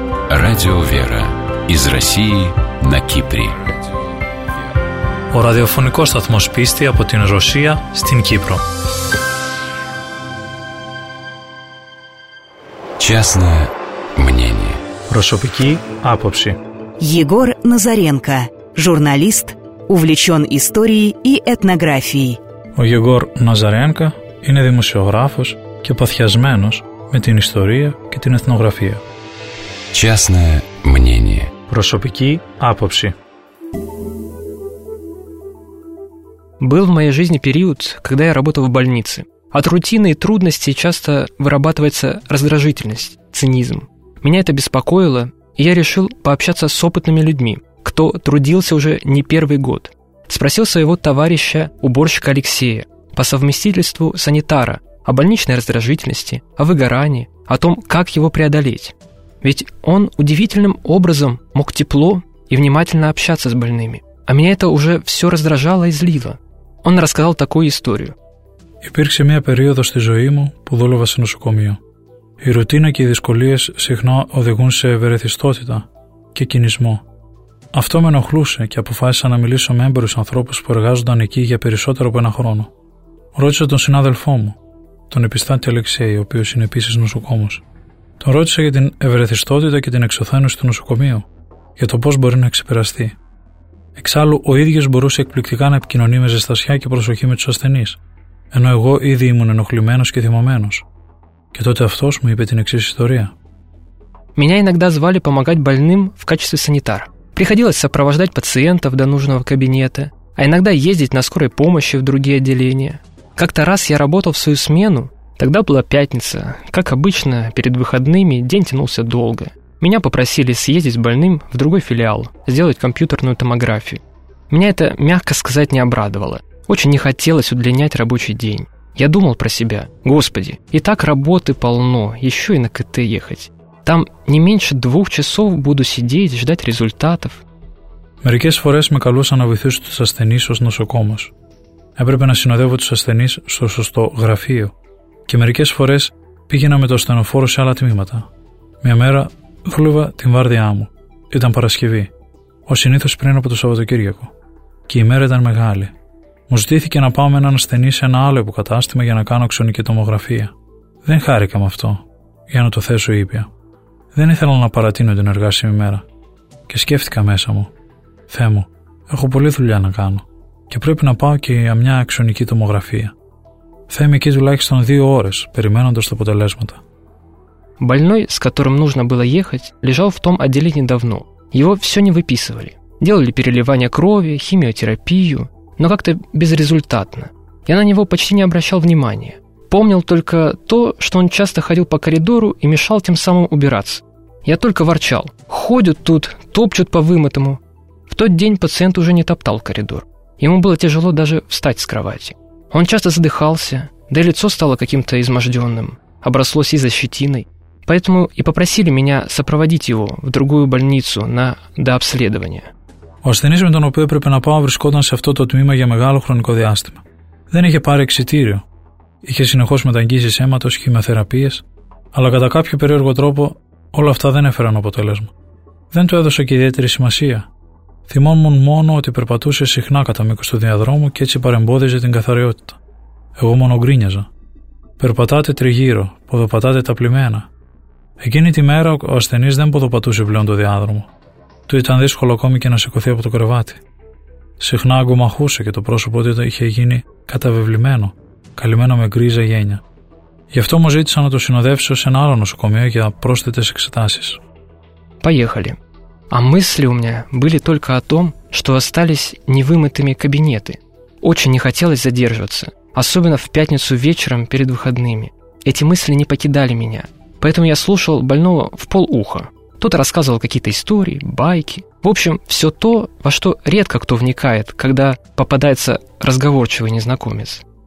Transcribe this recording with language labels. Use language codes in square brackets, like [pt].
[ru] Радио «Вера» из России на Кипре. [el] Ο ραδιοφωνικός σταθμός πίστη από την Ρωσία στην Κύπρο. [ru] Частное мнение. [el] Προσωπική άποψη. [ru] Егор Назаренко, журналист, увлечен историей и этнографией. [el] Ο Егор Назаренко είναι δημοσιογράφος και παθιασμένος με την ιστορία και την εθνογραφία. [ru] Частное мнение. [el] Προσωπική άποψη. [ru] Был в моей жизни период, когда я работал в больнице. От рутины и трудностей часто вырабатывается раздражительность, цинизм. Меня это беспокоило, и я решил пообщаться с опытными людьми, кто трудился уже не первый год. Спросил своего товарища, уборщика Алексея, по совместительству санитара, о больничной раздражительности, о выгорании, о том, как его преодолеть. Ведь он удивительным образом мог тепло и внимательно общаться с больными. А меня это уже все раздражало и злило. Он рассказал такую историю. [el] Υπήρξε μια περίοδος στη ζωή μου που δούλευα σε νοσοκομείο. Η ρουτίνα και οι δυσκολίες συχνά οδηγούν σε ευερεθιστότητα και κινησμό. Αυτό με ενοχλούσε και αποφάσισα να μιλήσω με έμπειρους ανθρώπους που εργάζονταν εκεί για περισσότερο από ένα χρόνο. Ρώτησα τον συνάδελφό μου, τον επιστάτη Αλεξέη, ο οποίος είναι επίσης νοσοκόμος. Τον ρώτησα για την ευερεθιστότητα και την εξωθένωση του νοσοκομείου, για το πώς μπορεί να ξεπεραστεί. Εξάλλου, ο ίδιος μπορούσε εκπληκτικά να επικοινωνεί με ζεστασιά και προσοχή με τους ασθενείς, ενώ εγώ ήδη ήμουν ενοχλημένος και θυμωμένος. Και τότε αυτός μου είπε την εξής ιστορία. [ru] Меня иногда звали помогать больным в качестве санитара. Приходилось сопровождать пациентов до нужного кабинета, а иногда ездить на скорой помощи в другие отделения. Как-то раз я работал в свою смену, тогда была пятница. Как обычно, перед выходными день тянулся долго. Меня попросили съездить с больным в другой филиал, сделать компьютерную томографию. Меня это, мягко сказать, не обрадовало. Очень не хотелось удлинять рабочий день. Я думал про себя. Господи, и так работы полно, еще и на КТ ехать. Там не меньше 2 часов буду сидеть, ждать результатов. [el] Μερικές φορές με καλούσαν να βοηθήσω τους ασθενείς ως νοσοκόμος. Έπρεπε να συνοδεύω τους ασθενείς στο σωστό γραφείο. Και μερικές φορές πήγαινα με το ασθενοφόρο σε άλλα τμήματα. Μια μέρα δούλευα την βάρδιά μου. Ήταν Παρασκευή, ως συνήθως πριν από το Σαββατοκύριακο. Και η μέρα ήταν μεγάλη. Μου ζητήθηκε να πάω με έναν ασθενή σε ένα άλλο υποκατάστημα για να κάνω ξωνική τομογραφία. Δεν χάρηκα με αυτό, για να το θέσω ήπια. Δεν ήθελα να παρατείνω την εργάσιμη μέρα. Και σκέφτηκα μέσα μου. Θεέ μου, έχω πολλή δουλειά να κάνω. Και πρέπει να πάω και για μια ξωνική τομογραφία. Θα είμαι εκεί τουλάχιστον 2 ώρες, περιμένοντας τα αποτελέσματα. [ru] Больной, с которым нужно было ехать, лежал в том отделении давно. Его все не выписывали. Делали переливание крови, химиотерапию, но как-то безрезультатно. Я на него почти не обращал внимания. Помнил только то, что он часто ходил по коридору и мешал тем самым убираться. Я только ворчал. Ходят тут, топчут по вымытому. В тот день пациент уже не топтал коридор. Ему было тяжело даже встать с кровати. Он часто задыхался, да и лицо стало каким-то изможденным, обросло сизой щетиной. Поэтому и попросили меня сопроводить его в другую больницу на дообследование. [el] Ο ασθενής με τον οποίο έπρεπε να πάω βρισκόταν σε αυτό το τμήμα για μεγάλο χρονικό διάστημα. Δεν είχε πάρει εξιτήριο. Είχε συνεχώς μεταγγίσεις αίματος, χημιοθεραπείες, αλλά κατά κάποιο περίεργο τρόπο όλα αυτά δεν έφεραν αποτέλεσμα. Δεν του έδωσα και ιδιαίτερη σημασία. Θυμόμουν μόνο ότι περπατούσε συχνά κατά μήκος του διαδρόμου και έτσι παρεμπόδιζε την καθαριότητα. Εγώ μόνο γκρίνιαζα. Περπατάτε τριγύρω, ποδοπατάτε τα πλημμένα. Εκείνη τη μέρα ο ασθενής δεν ποδοπατούσε πλέον το διάδρομο. Του ήταν δύσκολο ακόμη και να σηκωθεί από το κρεβάτι. Συχνά αγκομαχούσε και το πρόσωπό του είχε γίνει καταβεβλημένο, καλυμμένο με γκρίζα γένια. Γι' αυτό μου ζήτησα να το συνοδεύσω σε ένα άλλο νοσοκομείο για πρόσθετες εξετάσεις. [ru] Поехали. А мысли у меня были только о том, что остались невымытыми кабинеты. Очень не хотелось задерживаться, особенно в пятницу вечером перед выходными. Эти мысли не покидали меня, поэтому я слушал больного в полуха. Тот рассказывал какие-то истории, байки. В общем, все то, во что редко кто вникает, когда попадается разговорчивый незнакомец.